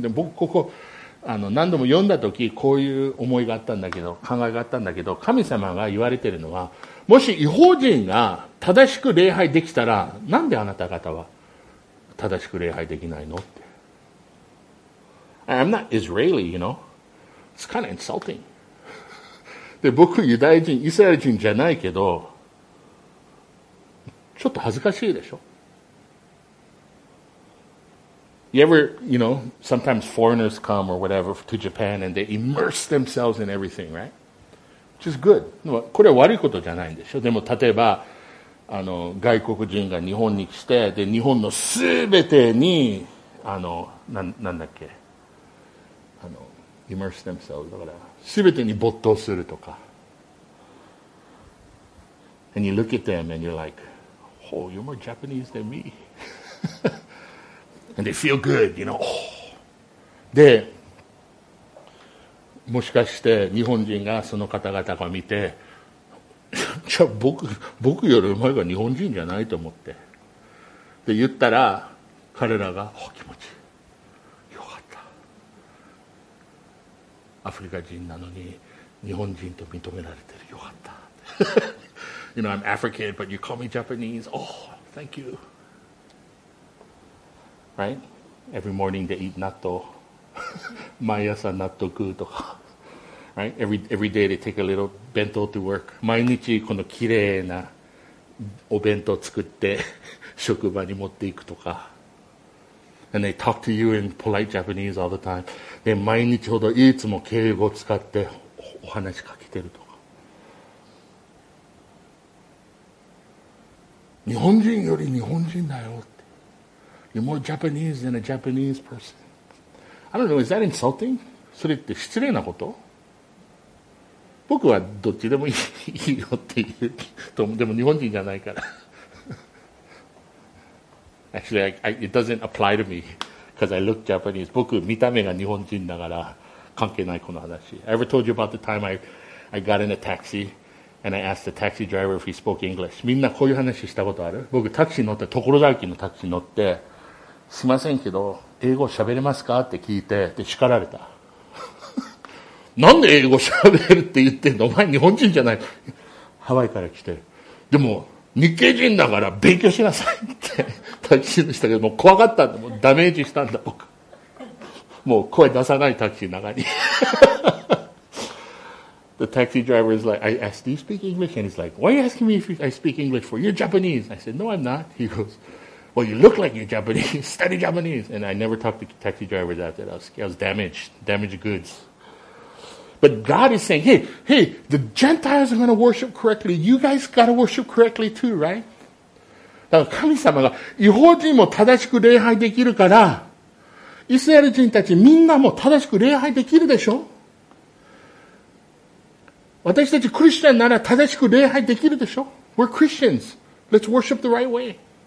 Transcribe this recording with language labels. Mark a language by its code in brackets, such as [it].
[ja] で僕ここ何度も読んだとき、こういう思いがあったんだけど、考えがあったんだけど、神様が言われてるのは、もし異邦人が正しく礼拝できたら、なんであなた方は正しく礼拝できないのって。 [en] I'm not Israeli, you know. It's kind of insulting. [ja] で、僕、ユダヤ人、イスラエル人じゃないけど、ちょっと恥ずかしいでしょ。 [en] You ever, you know, sometimes foreigners come or whatever to Japan and they immerse themselves in everything, right? Which is good. [ja] これは悪いことじゃないんでしょ。でも例えば、外国人が日本に来て、で、日本のすべてに、なんだっけ、 [en] immerse themselves. [ja] だから、すべてに没頭するとか。 [en] And you look at them and you're like, oh, you're more Japanese than me. And they feel good, you know. [ja] で、もしかして日本人がその方々が見て、じゃあ僕よりお前が日本人じゃないと思って。で、言ったら彼らが、お気持ちよかった。アフリカ人なのに日本人と認められてる。よかった。 [en] You know, I'm African, but you call me Japanese. Oh, thank you. Right? Every morning they eat natto. [ja] 毎朝納豆食うとか。 [en] Right? Every day they take a little bento to work. [ja] 毎日この綺麗なお弁当作って職場に持っていくとか。 [en] And they talk to you in polite Japanese all the time. [ja] で、毎日ほどいつも敬語を使ってお話しかけてるとか。日本人より日本人だよ。 [en] You're more Japanese than a Japanese person. I don't know, is that insulting? [ja] それって失礼なこと？僕はどっちでもいいよって言うと、でも日本人じゃないから。 [en] Actually, it doesn't apply to me because I look Japanese. [ja] 僕見た目が日本人だから関係ないこの話。 [en] I ever told you about the time I got in a taxi and I asked the taxi driver if he spoke English. [ja] みんなこういう話したことある？僕タクシー乗って、所沢駅のタクシー乗って、すいませんけど英語喋れますかって聞いて、で叱られた。なんで英語喋るって言ってんの、お前日本人じゃない。ハワイから来て、でも日系人だから勉強しなさいってタクシーでしたけど、もう怖かったんだ、もうダメージしたんだ僕。もう声出さないタクシーの中に。 [en] The taxi driver is like, I asked, do you speak English? And he's like, why are you asking me if I speak English for? You're Japanese. I said, no, I'm not. He goes,Well, you look like you're Japanese. Study Japanese. And I never talked to taxi drivers after that. I was damaged. Damaged goods. But God is saying, hey, the Gentiles are going to worship correctly. You guys got to worship correctly too, right? [ja] だから神様が、異邦人も正しく礼拝できるから、イスラエル人たちみんなも正しく礼拝できるでしょ？私たちクリスチャンなら正しく礼拝できるでしょ？ [en] We're Christians. Let's worship the right way.